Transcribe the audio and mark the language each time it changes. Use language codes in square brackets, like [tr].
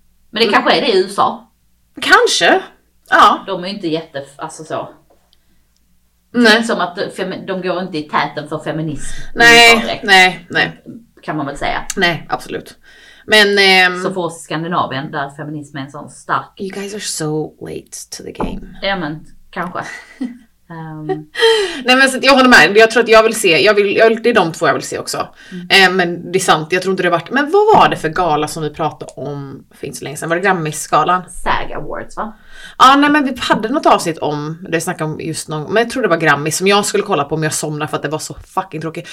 [sv] Men det kanske är det i USA. Kanske. Ja. De är inte jätte, alltså så. Nej. Som att de går inte i täten för feminism. Nej, nej, nej. Kan man väl säga. Nej, absolut. Men så får Skandinavien där feminism är en sån stark. [en] You guys are so late to the game. [sv] Ja, men kanske. Nej, men jag håller med. Jag tror att jag vill se, det är de två jag vill se också. Men det är sant, jag tror inte det varit. Men vad var det för gala som vi pratade om finns så länge sedan, var det Grammysgalan? SAG Awards, va? Ja, nej, men vi hade något avsnitt om det, snackade om just någon, men jag tror det var Grammys som jag skulle kolla på om jag somnade, för att det var så fucking tråkigt.